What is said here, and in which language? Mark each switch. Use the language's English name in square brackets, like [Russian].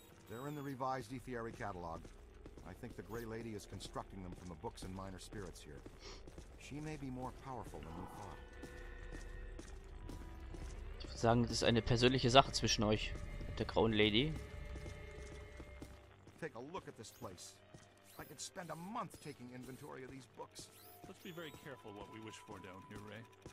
[English] They're in the revised Ethiary catalog. I think the Grey Lady is constructing them from the books and minor spirits here. She may be more powerful than we thought. [German] Sagen, das ist eine persönliche Sache zwischen euch und der grauen Lady. [English] Take a look at this place. I could spend a month taking inventory of these books. Let's be very careful what we wish for down here, Ray.